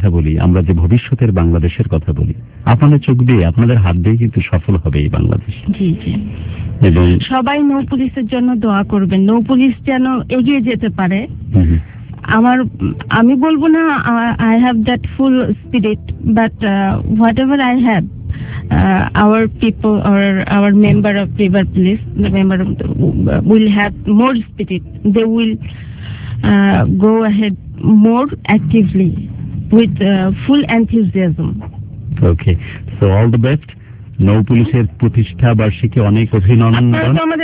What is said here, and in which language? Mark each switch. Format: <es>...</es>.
<bn>বাংলাদেশের কথা বলি, আপনাদের চোখ দিয়ে আপনাদের হাত দিয়ে কিন্তু সফল হবে এই বাংলাদেশ। এবং সবাই নৌ পুলিশের জন্য দোয়া করবেন, নৌ পুলিশ যেন এগিয়ে যেতে পারে। আমার আমি বলবো না</bn> <en>I have that full spirit, but whatever I have our people or our member of river police, the member of the, will have more spirit, they will go ahead more actively with full enthusiasm. Okay, so all the best.</en> <bn>নৌ পুলিশের প্রতিষ্ঠা বার্ষিকী অনেক অভিনন্দন।</bn>